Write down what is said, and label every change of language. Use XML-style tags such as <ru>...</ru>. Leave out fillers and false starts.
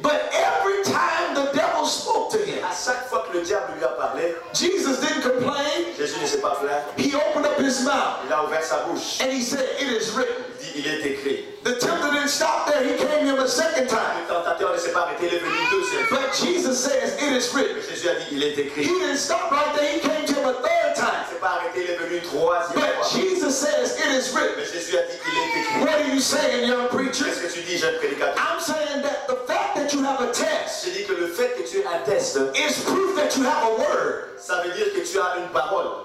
<en>But every time the devil spoke to him,</en> <fr>à chaque fois que le diable lui a parlé,</fr> <en>Jesus didn't complain.</en> <fr>Jésus ne s'est pas plaint.</fr> <en>He opened up his mouth.</en> <fr>Il a ouvert sa bouche.</fr> <en>And he said, "It is written."</en> <fr>Il dit, il est écrit.</fr> <en>The tempter didn't stop there. He came him a second time.</en> <fr>Le tentateur ne s'est pas arrêté. Il est venu deuxième.</fr> <en>But Jesus says, "It is written."</en> <fr>Il est écrit.</fr> <en>He didn't stop right there. He came to him a third time.</en> <fr>Il s'est pas arrêté, il est venu troisième fois.</fr> <en>But Jesus says it is written.</en> <fr>Mais Jésus a dit qu'il est écrit.</fr> <en>What are you saying, young preacher?</en> <fr>Qu'est-ce que tu dis, jeune prédicateur?</fr> <en>I'm saying that the fact that you have a test.</en> <fr>Je dis que le fait que tu aies un test</fr> <en>is proof that you have a word.</en> <fr>Ça veut dire que tu as une parole.</fr>